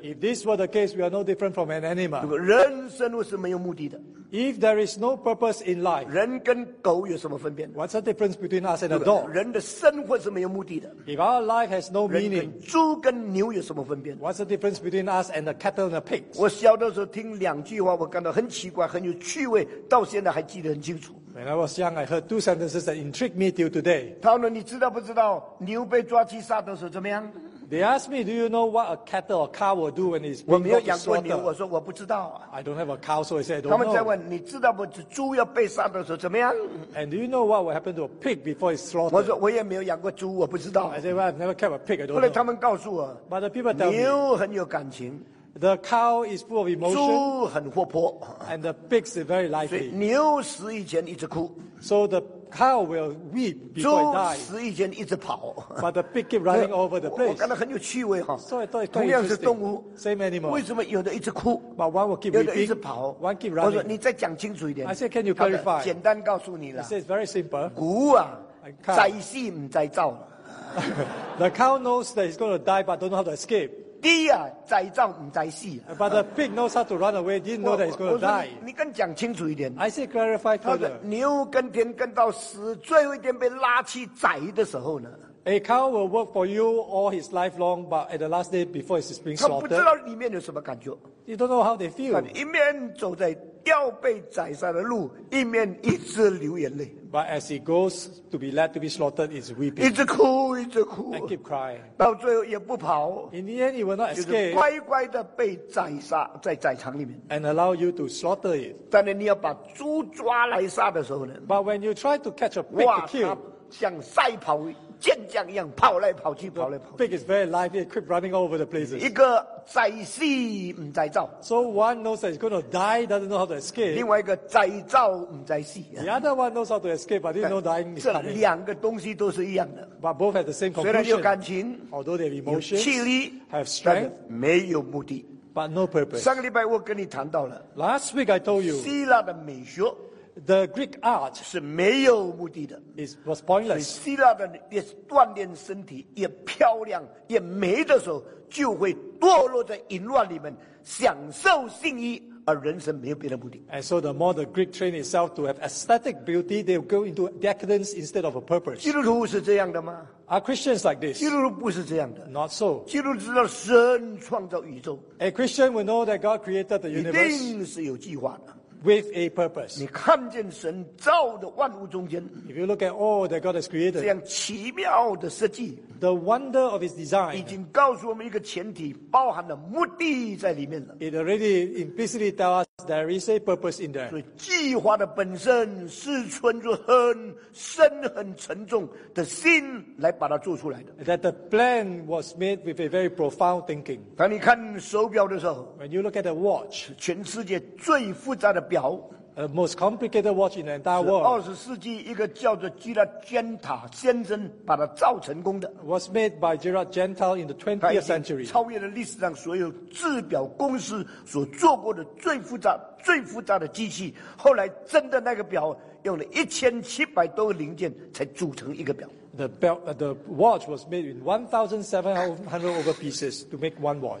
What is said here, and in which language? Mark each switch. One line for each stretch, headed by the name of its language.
English: If this were the case, we are no different from an animal.
Chinese: 人生是没有目的的。
English: If there is no purpose in life,
Chinese: 人跟狗有什么分别呢？
English: What's the difference between us and a dog?
Chinese: 人的生活是没有目的的。
English: If our life has no meaning,
Chinese: 人跟猪跟牛有什么分别呢？
English: What's the difference between us and a cattle and a pig?
Chinese: 我小的时候听两句话，我感到很奇怪，很有趣味，到现在还记得很清楚。
English: When I was young, I heard two sentences that intrigued me till today.
Chinese: 他们，你知道不知道牛被抓去杀的时候怎么样？
English: They asked me, "Do you know what a cattle or cow will do when it's?"
Chinese: 我没有养过牛，我说我不知道。
English: I don't have a cow, so I said I don't know.
Chinese: 他们在问，你知道不知道猪要被杀的时候怎么样？
English: And do you know what will happen to a pig before it's slaughtered?
Chinese: 我说我也没有养过猪，我不知道。
English: I said, "Well, I've never kept a pig. I don't know."
Chinese: 后来他们告诉我，
English: But the people tell me,
Chinese: 牛很有感情。
English: The cow is full of emotion.
Chinese: 猪很活泼
English: and the pigs are very lively.
Chinese: 所以牛死以前一直哭
English: so the cow will weep before it dies. 猪
Chinese: 死以前一直跑
English: but the pig keep running over the place.
Chinese: 我感到很有趣味哈
English: so I thought it's
Chinese: 同样是动物
English: same animal.
Chinese: 为什么有的一直哭
English: but one will keep weeping.
Chinese: 有的一直跑
English: one keep running.
Chinese: 我说你再讲清楚一点
English: I said, can you clarify?
Chinese: 简单告诉你了
English: I said, it's very simple.
Chinese: 牛啊，在世不在造
English: The cow knows that he's going to die, but don't know how to escape.
Chinese: 低啊，在葬唔在死。
English: But the pig knows how to run away, didn't know that he's going to die.
Chinese: 你更讲清楚一点。
English: I say clarify further.
Chinese: 牛耕田耕到死，最后一天被拉去宰的时候呢
English: ？A cow will work for you all his life long, but at the last day before it's being slaughtered,
Chinese: 他不知道里面有什么感觉。
English: You don't know how they feel.
Chinese: 一面走在要被宰杀的路，一面一直流眼泪。
English: But as he goes to be led to be slaughtered, he's weeping.
Chinese: 一直哭，一直哭。
English: And keep crying.
Chinese: 到最后也不跑。
English: In the end, he will not escape.
Chinese: 就是乖乖的被宰杀在宰场里面。
English: And allow you to slaughter it.
Chinese: 但是你要把猪抓来杀的时候呢
English: ？But when you try to catch a pig to kill,
Chinese: 像赛跑健将一样跑来跑去，跑来跑去。
English: Pig is very lively, keep running all over the places.
Chinese: 一个宰死不宰造。
English: So one knows that he's going to die, doesn't know how to escape.
Chinese: 另外一个宰造不宰死。
English: The other one knows how to escape, but didn't know dying is coming.
Chinese: 这两个东西都是一样的。
English: But both have the same conclusion.
Chinese: 虽然有感情
English: ，although they have emotions,
Chinese: 有气力
English: ，have strength,
Chinese: 没有目的
English: ，but no purpose.
Chinese: 上个礼拜我跟你谈到了。
English: Last week I told you.
Chinese: 希腊的美学。
English: The Greek art
Chinese: 是没有目的的
English: ，is was pointless。
Chinese: 希腊的也锻炼身体，也漂亮，也美的时候，就会堕落在淫乱里面，享受性欲，而人生没有别的目的。
English: And so the more the Greek train itself to have aesthetic beauty, they will go into decadence instead of a purpose。
Chinese: 基督徒是这样的吗
English: ？Are Christians like this？
Chinese: 基督徒不是这样的。
English: Not so。
Chinese: 基督徒知道神创造宇宙。
English: A Christian will know that God created the universe。
Chinese: 一定是有计划的。
English: With a purpose.
Chinese: 你看见神造的万物中间
English: If you look at all that God has created,
Chinese: 这样奇妙的设计
English: The wonder of his design
Chinese: 已经告诉我们一个前提包含了目的在里面了
English: It already implicitly tells us there is a purpose in there.
Chinese: 所以计划的本身是存着很深很沉重的心来把它做出来的
English: That the plan was made with a very profound thinking.
Chinese: 当你看手表的时候
English: When you look at the watch,
Chinese: 全世界最复杂的表
English: A most complicated watch in the entire world
Chinese: 是20世纪一个叫做吉拉坚塔先生把它造成功的
English: was made by Gerard Gentile in the 20th century
Chinese: 超越了历史上所有制表公司所做过的最复杂最复杂的机器后来真的那个表用了1700多个零件才组成一个表
English: the watch was made in 1700 over pieces to make one watch